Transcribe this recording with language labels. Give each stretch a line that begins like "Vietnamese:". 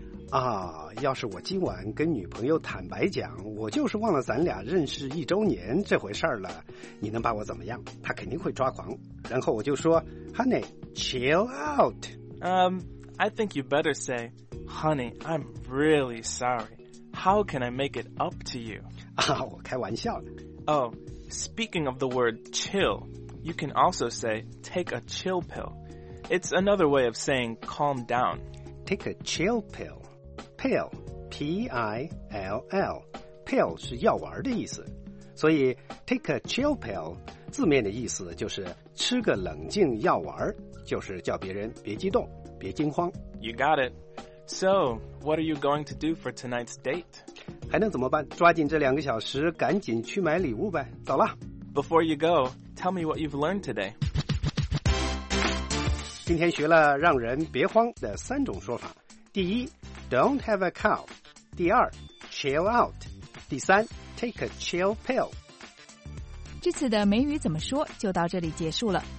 Chinese: 啊，要是我今晚跟女朋友坦白讲，我就是忘了咱俩认识一周年这回事儿了，你能把我怎么样？她肯定会抓狂。然后我就说 ，
English: Honey, chill out. I think you better say, Honey, I'm really sorry. How can I make it up to you?
Chinese: 啊，我开玩笑的。
English: Oh, speaking of the word chill, you can also say take a chill pill. It's another way of saying calm down. Take a chill pill. Pill, P-I-L-L, pill
Chinese: 是药丸的意思，所以
English: take a chill pill
Chinese: 字面的意思就是吃个冷静药丸，就是叫别人别激动，别惊慌。
English: You got it. So, what are you going to do for tonight's date?
Chinese: 还能怎么办？抓紧这两个小时，赶紧去买礼物呗。走了。
English: Before you go, tell me what you've learned today.
Chinese: 今天学了让人别慌的三种说法。第一 ,
English: don't have a cow.
Chinese: 第二 ,
English: chill out.
Chinese: 第三 ,
English: take a chill pill.
Chinese: 这次的美语怎么说就到这里结束了。